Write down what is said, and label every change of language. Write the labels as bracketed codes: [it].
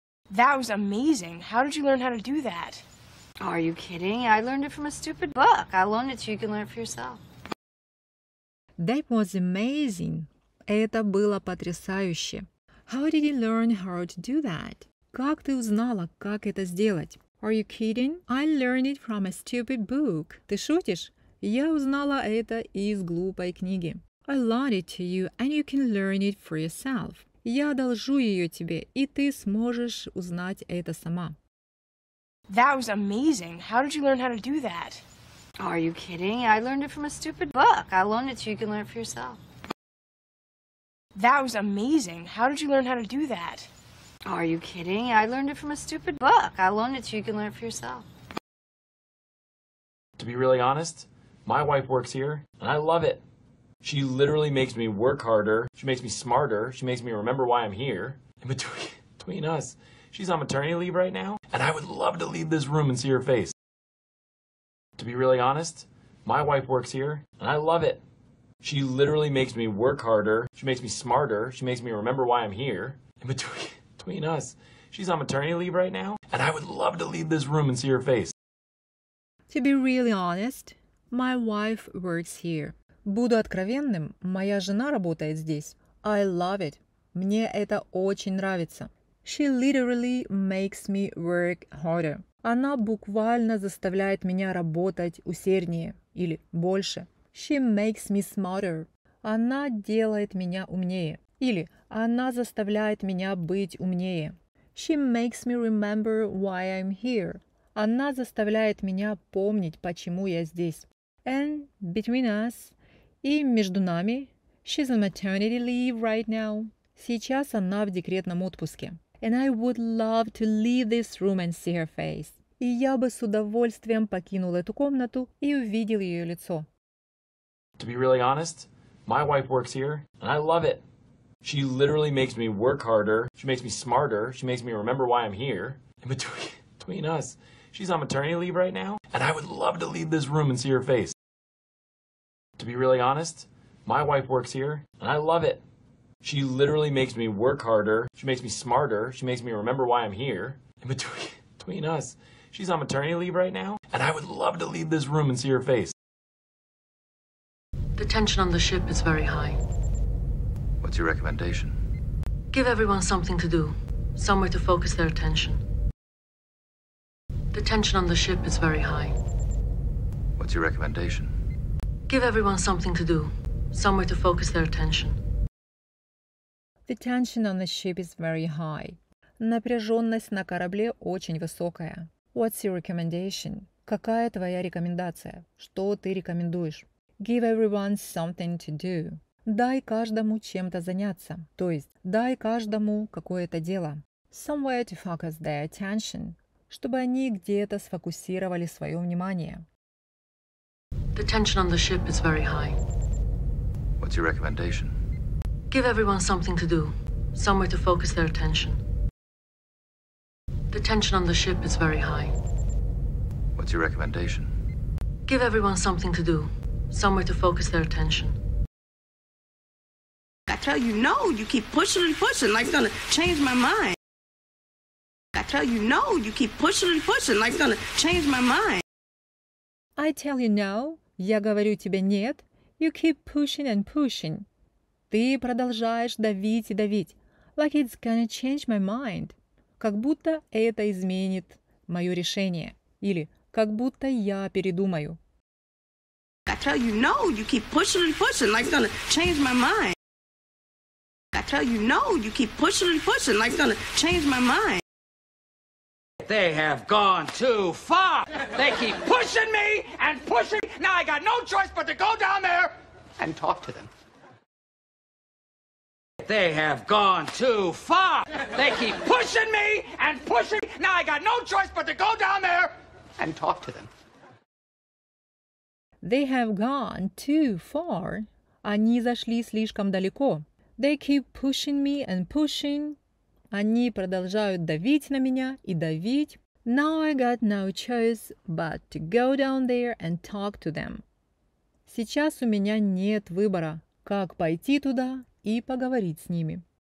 [en] That was amazing. How did you learn how to do that? Are you kidding? I learned it from a stupid book. I loaned it so you can learn it for yourself. That was amazing. [ru] Это было потрясающе. [en] How did you learn how to do that? [ru] Как ты узнала, как это сделать? [en] Are you kidding? I learned it from a stupid book. [ru] Ты шутишь? Я узнала это из глупой книги. [en] I loaned it to you and you can learn it for yourself. [ru] Я одолжу ее тебе, и ты сможешь узнать это сама. [en] That was amazing. How did you learn how to do that? Are you kidding? I learned it from a stupid book. I loaned it so you can learn it for yourself. That was amazing. How did you learn how to do that? Are you kidding? I learned it from a stupid book. I loaned it so you can learn it for yourself. To be really honest, my wife works here, and I love it. She literally makes me work harder, she makes me smarter, she makes me remember why I'm here. And between us, she's on maternity leave right now, and I would love to leave this room and see her face. To be really honest, my wife works here, and I love it. She literally makes me work harder, she makes me smarter, she makes me remember why I'm here. And between us, she's on maternity leave right now, and I would love to leave this room and see her face. To be really honest, my wife works here. [ru] Буду откровенным, моя жена работает здесь. [en] I love it. [ru] Мне это очень нравится. [en] She literally makes me work harder. [ru] Она буквально заставляет меня работать усерднее или больше. [en] She makes me smarter. [ru] Она делает меня умнее. Или она заставляет меня быть умнее. [en] She makes me remember why I'm here. [ru] Она заставляет меня помнить, почему я здесь. [en] And between us. [ru] И между нами, [en] she's on maternity leave right now. [ru] Сейчас она в декретном отпуске. [en] And I would love to leave this room and see her face. [ru] И я бы с удовольствием покинул эту комнату и увидел ее лицо. [en] To be really honest, my wife works here, and I love it. She literally makes me work harder, she makes me smarter, she makes me remember why I'm here. And between us, she's on maternity leave right now, and I would love to leave this room and see her face. To be really honest, my wife works here, and I love it. She literally makes me work harder, she makes me smarter, she makes me remember why I'm here. And between us, she's on maternity leave right now, and I would love to leave this room and see her face. The tension on the ship is very high. What's your recommendation? Give everyone something to do, somewhere to focus their attention. The tension on the ship is very high. What's your recommendation? Give everyone something to do, somewhere to focus their attention. The tension on the ship is very high. [ru] Напряженность на корабле очень высокая. [en] What's your recommendation? [ru] Какая твоя рекомендация? Что ты рекомендуешь? [en] Give everyone something to do. [ru] Дай каждому чем-то заняться. То есть, дай каждому какое-то дело. [en] Somewhere to focus their attention. [ru] Чтобы они где-то сфокусировали свое внимание. [en] The tension on the ship is very high. What's your recommendation? Give everyone something to do. Somewhere to focus their attention. The tension on the ship is very high. What's your recommendation? Give everyone something to do. Somewhere to focus their attention. I tell you no, you keep pushing and pushing like it's gonna change my mind. I tell you no, you keep pushing and pushing like it's gonna change my mind. I tell you no, [ru] я говорю тебе нет. [en] You keep pushing and pushing. [ru] Ты продолжаешь давить и давить. [en] Like it's gonna change my mind. [ru] Как будто это изменит мое решение. Или как будто я передумаю. [en] I tell you no, you keep pushing and pushing like it's gonna change my mind. I tell you no, you keep pushing and pushing like it's gonna change my mind. They have gone too far. They keep pushing me and pushing. Now I got no choice but to go down there and talk to them. They have gone too far. They keep pushing me and pushing. Now I got no choice but to go down there and talk to them. They have gone too far. [ru] Они зашли слишком далеко. [en] They keep pushing me and pushing. [ru] Они продолжают давить на меня и давить. [en] Now I got no choice but to go down there and talk to them. [ru] Сейчас у меня нет выбора, как пойти туда и поговорить с ними.